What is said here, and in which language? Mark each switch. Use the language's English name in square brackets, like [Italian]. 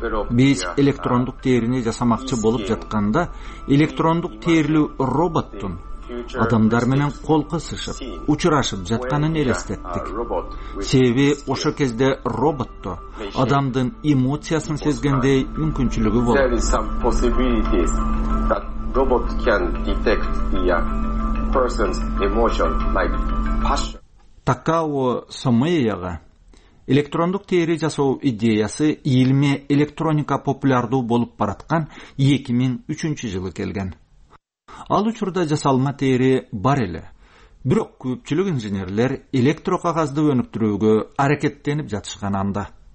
[Kyrgyz] Биз электрондук терини жасамакчы болуп жатканда, электрондук терилүү роботтун адамдар менен кол кысышып, учурашып жатканын элестеттик. Себеби ошо кезде роботто адамдын эмоциясын сезгендей мүмкүнчүлүгү болот. [English] There is some possibilities that robot can detect the person's emotion like passion. [Kyrgyz] Такао Сомеяга электрондук теория жасоо идеясы илимий электроника популярдуу болуп бараткан 2003 жылы келген. Ал учурда жасалма теория бар эле. Бирок көпчүлүк инженерлер электро кагазды өнүктүрүүгө аракеттенип жатышкан анда.